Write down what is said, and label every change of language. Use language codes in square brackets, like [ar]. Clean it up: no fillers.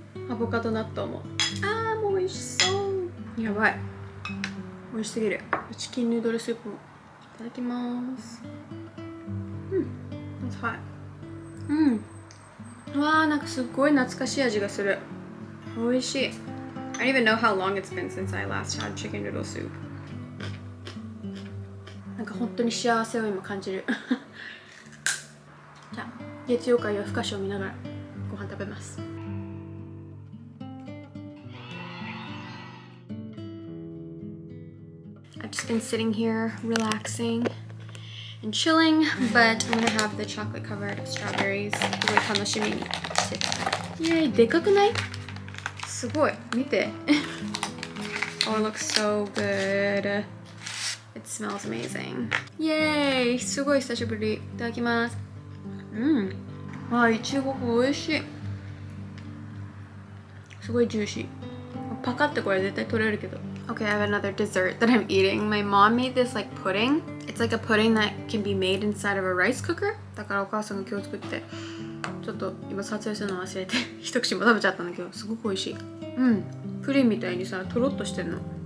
[ja] アボカド納豆も。ああ、もう美味しそう。やばい。美味しすぎる。チキンヌードルスープも。いただきます。うん。 [en] That's fine。 [ja] うん。わあ、なんかすごい懐かしい味がする。美味しい。 [en] I don't even know how long it's been since I last had chicken noodle soup. [ja] なんか本当に幸せを今感じる。じゃあ、月曜会夜更かしを見ながらご飯食べます。 [en] I've just been sitting here relaxing and chilling, but I'm gonna have the chocolate covered strawberries. [ja] すごい楽しみにしてた。イエーイ、でかくない？すごい、見て。 [en] Oh, it looks so good. It smells amazing. [ja] イエーイ、すごい久しぶり。いただきます。うん。ああ、いちごおいしい。すごいジューシー。パカってこれ絶対取れるけど。 [en] Okay, I have another dessert that I'm eating. My mom made this like pudding. It's like a pudding that can be made inside of a rice cooker. [ja] だからお母さんが今日作って、ちょっと今撮影するの忘れて一口も食べちゃったんだけど、すごく美味しい。うん、プリンみたいにさ、とろっとしてるの。